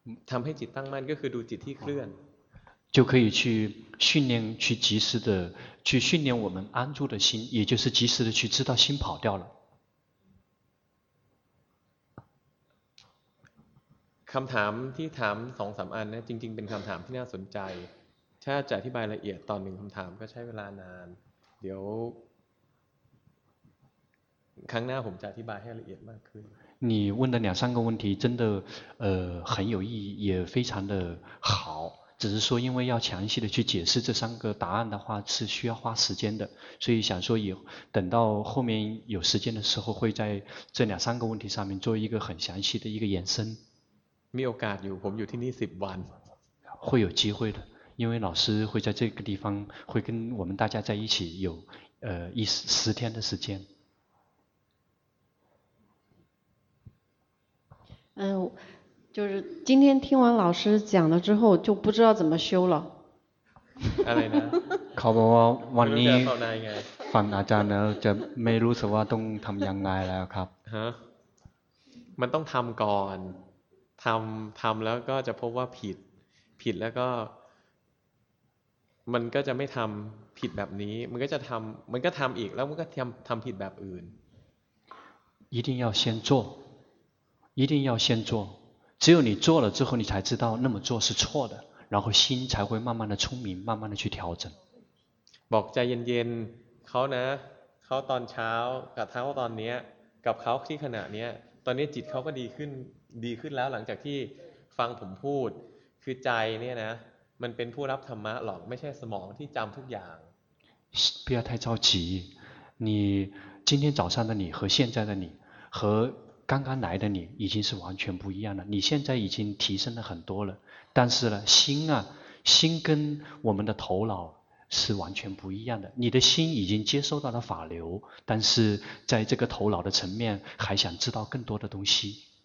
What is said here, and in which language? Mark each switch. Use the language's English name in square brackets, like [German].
[Thai] ทำให้จิตตั้งมั่นก็คือดูจิตที่เคลื่อน [Chinese] 就可以去训练去及时的去训练我们安住的心，也就是及时的去知道心跑掉了。 [Thai] คำถามที่ถามสองสามอันนะจริงๆเป็นคำถามที่น่าสนใจถ้าจะอธิบายละเอียดตอนหนึ่งคำถามก็ใช้เวลานานเดี๋ยวครั้งหน้าผมจะอธิบายให้ละเอียดมากขึ้น [Chinese] 你问的两三个问题真的很有意义也非常的好只是说因为要详细的去解释这三个答案的话是需要花时间的所以想说以等到后面有时间的时候会在这两三个问题上面做一个很详细的一个延伸 [Thai] มีโอกาสอยู่ผมอยู่ที่นี่10วัน [Chinese] 会有机会的因为老师会在这个地方会跟我们大家在一起有10天的时间就是今天听完老师讲了之后就不知道怎么修了。 [Thai] อะไรนะ ขอบอกว่าวันนี้ฟังอาจารย์แล้วจะไม่รู้สึกว่าต้องทำยังไงแล้วครับ ฮะมันต้องทำก่อนทำแล้วก็จะพบว่าผิดแล้วก็มันก็จะไม่ทำผิดแบบนี้มันก็จะทำมันก็ทำอีกแล้วมันก็ทำผิดแบบอื่น [Chinese] 一定要先做一定要先做只有你做了之后你才知道那么做是错的然后心才会慢慢的聪明慢慢的去调整 [Thai] บอกใจเย็นๆเขานะเขาตอนเช้ากับเขาตอนนี้กับเขาที่ขณะนี้ตอนนี้จิตเขาก็ดีขึ้นแล้วหลังจากที่ฟังผมพูดคือใจเนี่ยนะมันเป็นผู้รับธรรมะหรอกไม่ใช่สมองที่จำทุกอย่าง [Chinese] 不要太着急你今天早上的你和现在的你和刚刚来的你已经是完全不一样了你现在已经提升了很多了但是呢心啊心跟我们的头脑是完全不一样的你的心已经接收到了法流但是在这个头脑的层面还想知道更多的东西